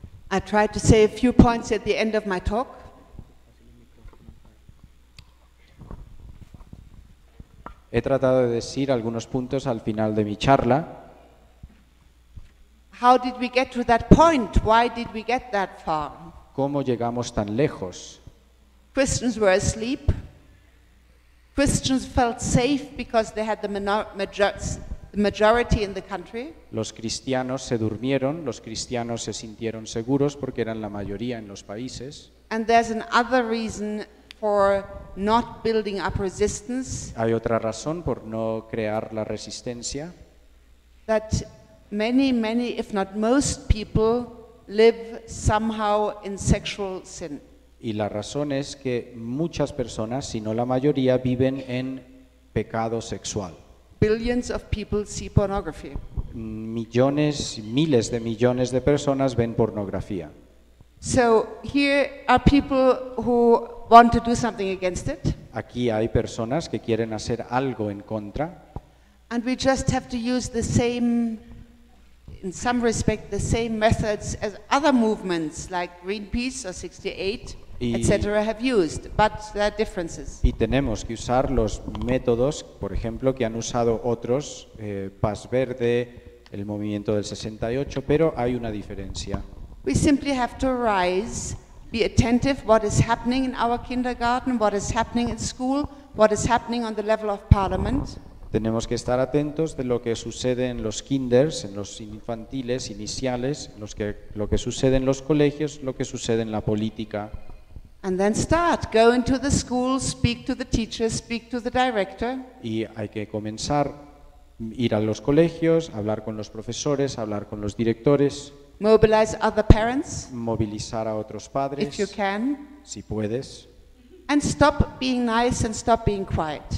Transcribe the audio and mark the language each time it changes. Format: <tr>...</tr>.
<en>I tried to say a few points at the end of my talk.</en> <es>He tratado de decir algunos puntos al final de mi charla.</es> <en>How did we get to that point? Why did we get that far?</en> <es>¿Cómo llegamos tan lejos?</es> <en>Christians were asleep. Christians felt safe because they had the majority in the country.</en> <es>Los cristianos se durmieron, los cristianos se sintieron seguros porque eran la mayoría en los países.</es> <en>And there's another reason for not building up resistance.</en> <es>Hay otra razón por no crear la resistencia.</es> <en>That many, many, if not most people live somehow in sexual sin.</en> <es>Y la razón es que muchas personas, si no la mayoría, viven en pecado sexual.</es> <en>Billions of people see pornography.</en> <es>Millones, miles de millones de personas ven pornografía.</es> <en>So here are people who want to do something against it.</en> <es>Aquí hay personas que quieren hacer algo en contra.</es> <en>And we just have to use the same, in some respect, the same methods as other movements like Greenpeace or 68, etc. have used, but there are differences.</en> <es>Y tenemos que usar los métodos, por ejemplo, que han usado otros, Paz Verde, el movimiento del 68, pero hay una diferencia.</es> <en>We simply have to rise, be attentive what is happening in our kindergarten, what is happening in school, what is happening on the level of parliament.</en> <es>Tenemos que estar atentos de lo que sucede en los kinders, en los infantiles iniciales, lo que sucede en los colegios, lo que sucede en la política.</es> <en>And then start. Go into the school, speak to the teachers, speak to the director.</en> <es>Y hay que comenzar, ir a los colegios, hablar con los profesores, hablar con los directores.</es> <en>Mobilize other parents.</en> <es>Movilizar a otros padres.</es> <en>If you can.</en> <es>Si puedes.</es> <en>And stop being nice and stop being quiet.</en>